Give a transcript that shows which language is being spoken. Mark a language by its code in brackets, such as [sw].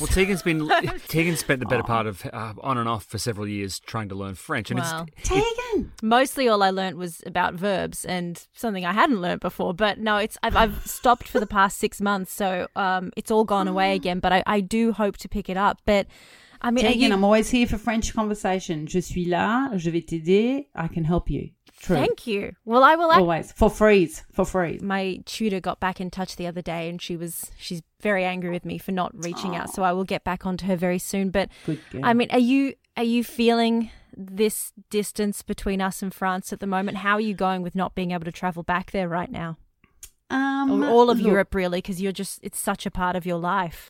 [en] Well, Tegan spent the better part of on and off for several years trying to learn French. And Tegan! Mostly all I learned was about verbs and something I hadn't learned before. But no, I've stopped for the past 6 months, so it's all gone away again. But I do hope to pick it up. But I mean, Tegan, I'm always here for French conversation. [fr] Je suis là, je vais t'aider, [en] I can help you. True. Thank you. Well, I will always. For freeze. My tutor got back in touch the other day and she's very angry with me for not reaching out. So I will get back onto her very soon. But good girl. I mean, are you feeling this distance between us and France at the moment? How are you going with not being able to travel back there right now? Europe, really, because you're just, it's such a part of your life.